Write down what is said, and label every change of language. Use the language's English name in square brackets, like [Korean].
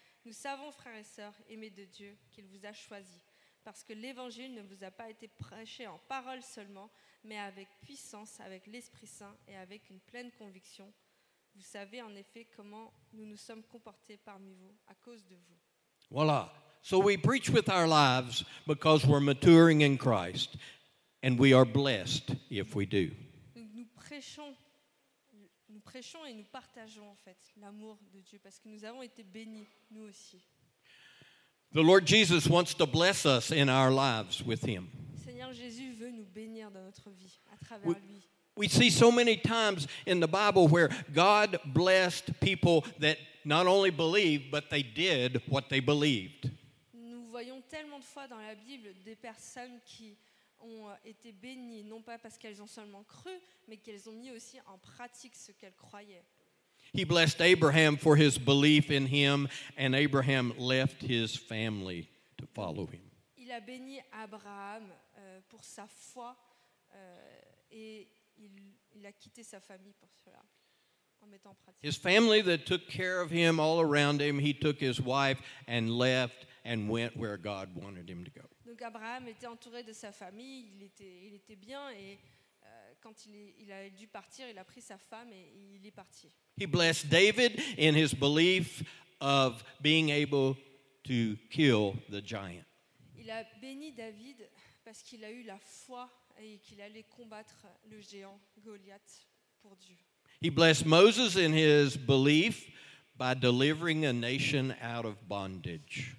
[French] Nous savons, frères et sœurs, aimés de Dieu, qu'il vous a choisis, parce que l'Évangile ne vous a pas été prêché en parole seulement, mais avec puissance, avec l'Esprit Saint et avec une pleine conviction. Vous savez en effet comment nous nous sommes comportés parmi vous à cause de vous. Voilà. [English] So we preach with our lives because we're maturing in Christ, and we are blessed if we do. [French] Nous prêchons et nous partageons en fait l'amour de Dieu parce que nous avons été bénis nous aussi. [English] The Lord Jesus wants to bless us in our lives with Him. [French] Seigneur Jésus veut nous bénir dans notre vie à travers lui. [English] We see so many times in the Bible where God blessed people that not only believed but they did what they believed. [French] Nous voyons tellement de fois dans la Bible des personnes qui ont été bénies, non pas parce qu'elles ont seulement cru, mais qu'elles ont mis aussi en pratique ce qu'elles croyaient. [English] He blessed Abraham for his belief in him, and Abraham left his family to follow him. [French] Il a béni Abraham pour sa foi, et il a quitté sa famille pour cela. [English] His family that took care of him all around him, he took his wife and left and went where God wanted him to go. [French] Donc Abraham était entouré de sa famille, il était bien et quand il a dû partir, il a pris sa femme et il est parti. [English] He blessed David in his belief of being able to kill the giant. [French] Il a béni David parce qu'il a eu la foi et qu'il allait combattre le géant Goliath pour Dieu. [English] He blessed Moses in his belief by delivering a nation out of bondage.